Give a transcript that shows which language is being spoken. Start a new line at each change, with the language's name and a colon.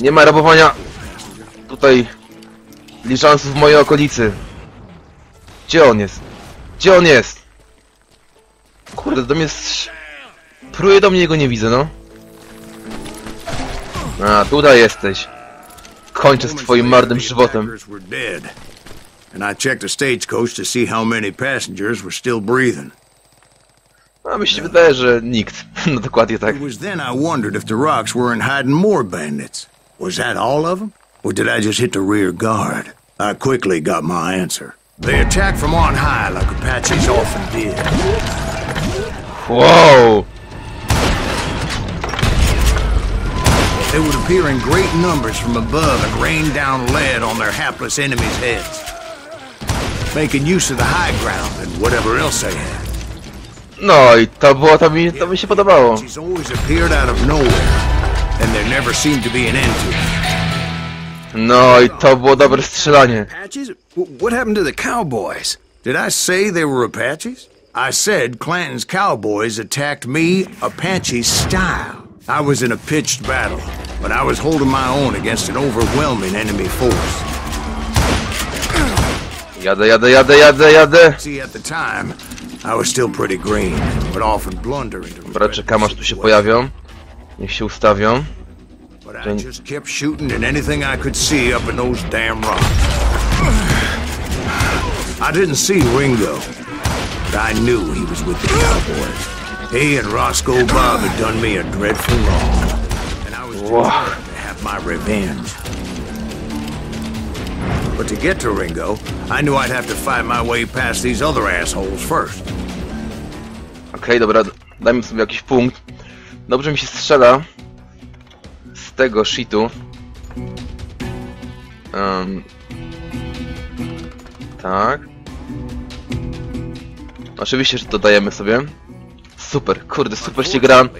Polish: Nie ma rabowania tutaj liżansów w mojej okolicy. Gdzie on jest? Gdzie on jest? Kurde, do mnie pruje do mnie, jego nie widzę, no. A, tutaj jesteś. Kończę z twoim marnym żywotem.
English: And I checked the stagecoach to see how many passengers were still breathing.
Polish: A mi się wydaje, że nikt. No dokładnie tak.
English: It was then I wondered if the rocks weren't hiding more bandits. Was that all of them? Or did I just hit the rear guard? I quickly got my answer. They attacked from on high like Apaches often did. Whoa! They would appear in great numbers from above and rain down lead on their hapless enemies' heads. Making use of the high ground and whatever else they had.
Polish: No, i to było, to mi się podobało.
English: Apaches always appeared out of nowhere, and there never seemed to be an end to it.
Polish: No i to było dobre strzelanie.
English: Apaches? What happened to the cowboys? Did I say they were Apaches? I said Clanton's cowboys attacked me Apache style. I was in a pitched battle, but I was holding my own against an overwhelming enemy force.
Polish: Jadę.
English: See, at the time, I was still pretty green, but often blundering.
Polish: Dobra, czekam, aż tu się pojawią. Niech się ustawią.
English: But I just kept shooting at anything I could see up in those damn rocks. I didn't see Ringo, but I knew he was with the cowboys. He and Roscoe Bob had done me a dreadful wrong, and I was determined to have my revenge. But to get to Ringo, I knew I'd have to fight my way past these other assholes first.
Polish: Okej, dobra, dajmy sobie jakiś punkt. Dobrze mi się strzela z tego shitu. Tak. Oczywiście, że dodajemy sobie. Super, kurde, super się gra.